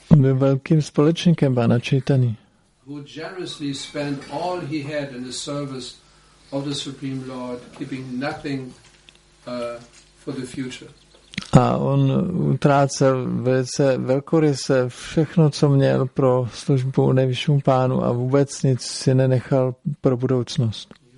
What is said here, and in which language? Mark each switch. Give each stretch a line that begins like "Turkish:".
Czech: Byl velkým společníkem pana Chaitany.
English: Who generously spent all he had in the service of the Supreme Lord, keeping nothing for the future.
Czech: A on utrácel velice velkoryse všechno, co měl pro službu nejvyššímu pánu a vůbec nic si nenechal pro budoucnost.